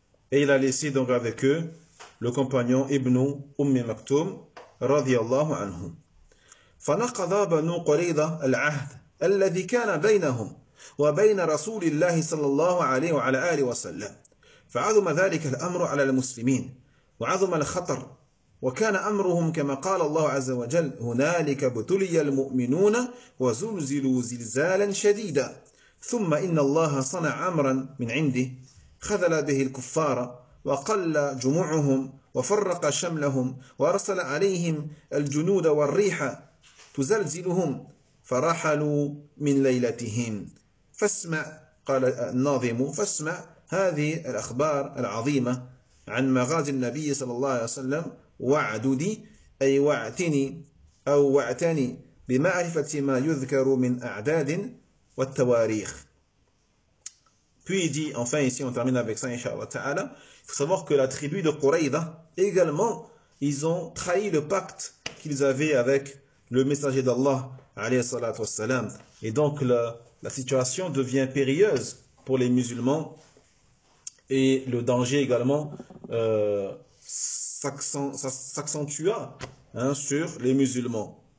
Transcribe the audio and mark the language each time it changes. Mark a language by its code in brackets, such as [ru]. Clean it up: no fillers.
[fr] Et il a laissé donc avec eux le compagnon Ibn Umm Maktoum radiyallahu anhu. [ar] فَنَقَضَ بَنُو قُرَيْضَةَ الْعَهْدَ الَّذِي كَانَ بَيْنَهُمْ وَبَيْنَ رَسُولِ اللَّهِ صَلَّى اللَّهُ عَلَيْهِ وَعَلَى آلِهِ وَسَلَّمَ فَعَظُمَ ذَلِكَ الْأَمْرُ عَلَى الْمُسْلِمِينَ وَعَظُمَ الْخَطَرُ وكان امرهم كما قال الله عز وجل هنالك ابتلي المؤمنون وزلزلوا زلزالا شديدا ثم ان الله صنع امرا من عنده خذل به الكفار وقل جموعهم وفرق شملهم وارسل عليهم الجنود والريح تزلزلهم فرحلوا من ليلتهم فاسمع قال الناظم فاسمع هذه الاخبار العظيمه عن مغازي النبي صلى الله عليه وسلم وعدودي أي وعتني أو وعتني بمعرفة ما يذكر من أعداد والتواريخ. [fr] Puis il dit, enfin ici on termine avec ça, inshallah ta'ala. Il faut savoir que la tribu de Quraïda également, ils ont trahi le pacte qu'ils avaient avec le messager d'Allah alayhi salatu wassalam. Et donc la situation devient périlleuse pour les musulmans, et le danger également s'accentua sur les musulmans.